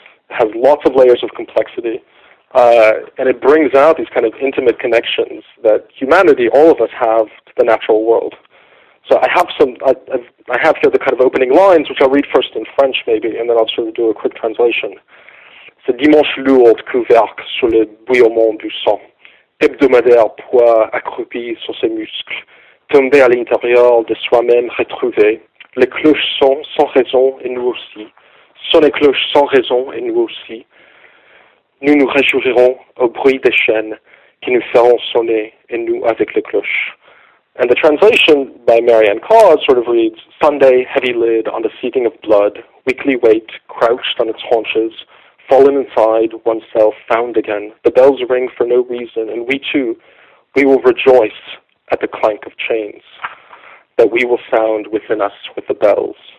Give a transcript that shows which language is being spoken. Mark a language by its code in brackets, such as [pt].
[en] It has lots of layers of complexity, and it brings out these kind of intimate connections that humanity, all of us, have to the natural world. So I have some. I have here the kind of opening lines, which I'll read first in French, maybe, and then I'll sort of do a quick translation. [fr] Ce dimanche lourd couvercle sur le bouillonnement du sang, hebdomadaire poids accroupi sur ses muscles, tombé à l'intérieur de soi-même retrouvé, les cloches sont sans raison et nous aussi. Sonne les cloches sans raison et nous aussi. Nous nous réjouirons au bruit des chaînes qui nous feront sonner et nous avec les cloches. [en] And the translation by Marianne Carr sort of reads, Sunday, heavy lid on the seating of blood, weekly weight crouched on its haunches, fallen inside, oneself found again. The bells ring for no reason, and we too, we will rejoice at the clank of chains that we will sound within us with the bells.